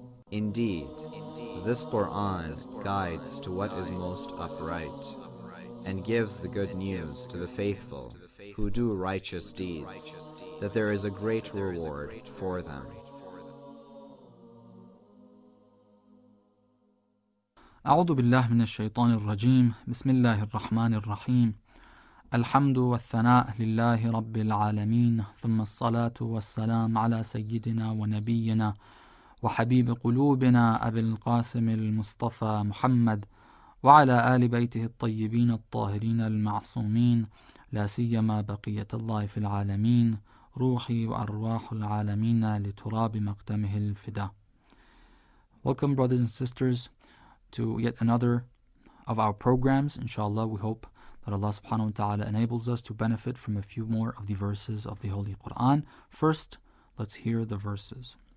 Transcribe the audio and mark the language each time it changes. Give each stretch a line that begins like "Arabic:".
English: Indeed, this Quran guides to what is most upright and gives the good news to the faithful who do righteous deeds, that there is a great reward for them.
Arabic: أعوذ بالله من الشيطان الرجيم بسم الله الرحمن الرحيم الحمد والثناء لله رب العالمين ثم الصلاة والسلام على سيدنا ونبينا وحبيب قلوبنا أبي القاسم المصطفى محمد وعلى آل بيته الطيبين الطاهرين المعصومين لا سيما بقية الله في العالمين روحي وأرواح العالمين لتراب مقدمه الفداء.
English: Welcome brothers and sisters to yet another of our programs. Inshallah, we hope that Allah subhanahu wa ta'ala enables us to benefit from a few more of the verses of the Holy Quran. First, let's hear the verses.